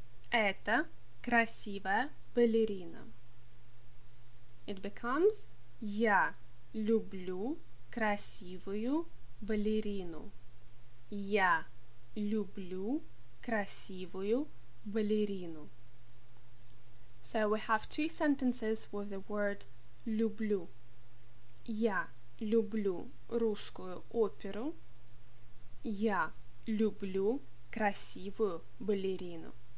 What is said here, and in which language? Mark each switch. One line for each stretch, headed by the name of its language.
Russian: Это красивая балерина.
English: It becomes
Russian: Я люблю красивую балерину. Я люблю красивую балерину.
English: So we have two sentences with the word люблю.
Russian: Я люблю русскую оперу. Я люблю красивую балерину.